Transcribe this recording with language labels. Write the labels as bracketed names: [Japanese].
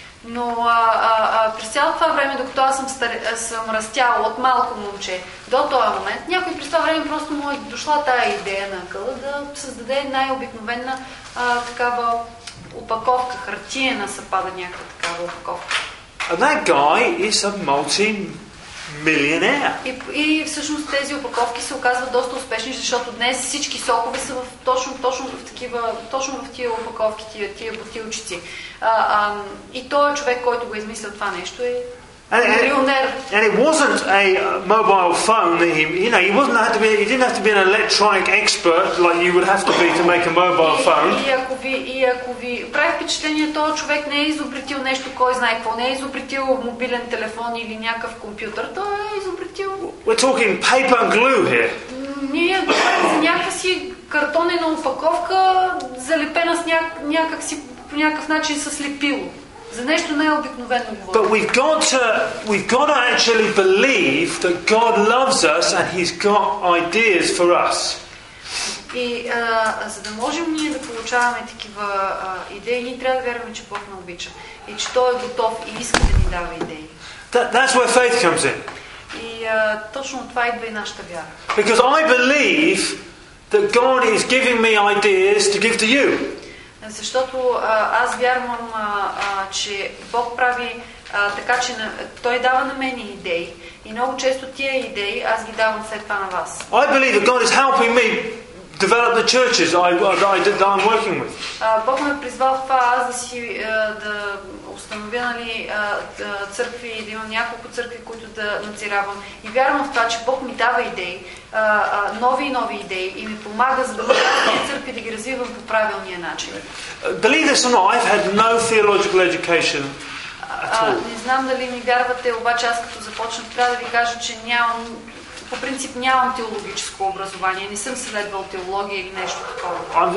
[Bulgarian] Но през цяло това време, докато аз съм растяла от малко момче до този момент, някой през това време просто му е дошла тая идея на къла да създаде най-обикновена такава опаковка, хартиена съпада някаква такава опаковка. [English] And that guy is a multi-millionaire. [Bulgarian] И всъщност тези опаковки се оказват доста успешни, защото днес всички сокове са точно в тия опаковки, тия бутилчици. И той човек, който го е измислил това нещо, е милионер. [English] And it wasn't a mobile phone that he didn't have to be an electronic expert like you would have to be to make a mobile phone. [Bulgarian] И ако ви прави впечатление, този човек не е изобретил нещо, кой знае какво, не е изобретил мобилен телефон или някакъв компютър, той е изобретил. [English] We're talking paper and glue here. [Bulgarian] Ние говорим за някаква си картонена опаковка, залепена с някак си по някакъв начин със лепило. За нещо най-обикновено говорим. [English] But we've got to actually believe that God loves us and he's got ideas for us. [Bulgarian] И за да можем ние да получаваме такива идеи, ние трябва да вярваме, че Бог ни обича и че той е готов и иска да ни дава идеи. [English] That's where faith comes in. [Bulgarian] И точно това идва и нашата вяра. [English] Because I believe that God is giving me ideas to give to you. [Bulgarian] Защото аз вярвам, че Бог прави така, че Той дава на мен идеи. И много често тия идеи аз ги давам след това на вас. [English] I believe that God is helping me develop the churches that I'm working with. [Bulgarian] Бог ме призвал това аз да си да установя, нали, църкви, да имам няколко църкви, които да надзиравам. И вярвам в това, че Бог ми дава идеи, нови идеи и ми помага за да бъдам църкви да ги развивам по правилния начин. [English] Believe this or not, I've had no theological education at all. [Bulgarian] Не знам дали ми вярвате, обаче аз като започнах, трябва да ви кажа, че нямам. По принцип нямам теологическо образование, не съм следвал теология или нещо такова.